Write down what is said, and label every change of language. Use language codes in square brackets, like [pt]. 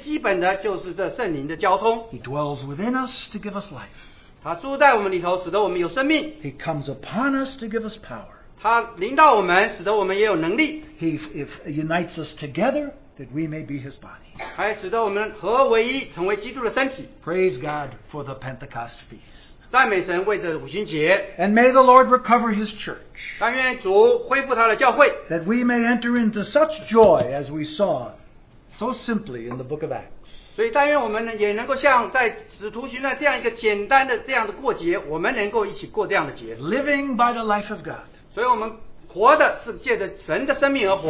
[zh] 所以我们在生命生活当中最基本的就是这圣灵的交通。 [en] He dwells within us to give us life. [zh] 他住在我们里头，使得我们有生命。 [en] He comes upon us to give us power. [zh] 他临到我们，使得我们也有能力。 [en] He unites us together that we may be His body. [zh] 还使得我们合为一，成为基督的身体。 [en] Praise God for the Pentecost feast. [zh] 赞美神为着五旬节。 [en] And may the Lord recover His church. [zh] 但愿主恢复他的教会。 [en] That we may enter into such joy as we saw so simply in the book of Acts. [zh] 所以但愿我们也能够像在使徒行传这样一个简单的这样的过节，我们能够一起过这样的节。 [en] Living by the life of God. [zh] 所以我们活的是借着神的生命而活。